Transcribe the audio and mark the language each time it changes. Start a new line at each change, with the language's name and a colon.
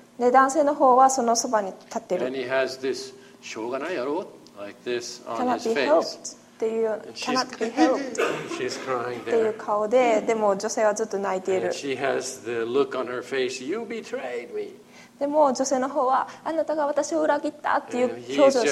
Japanese: 男性の方はそのそばに立ってる。
English: And he has this,
Japanese: しょうがないやろ
English: like this on his face. Cannot be helped
Japanese: っていう、
English: cannot be helped. She's crying
Japanese: っていう顔で、でも女性はずっと泣いている。
English: And she has the look on her face, you betrayed me.
Japanese: でも女性の方はあなたが私を裏切ったっていう表情してる。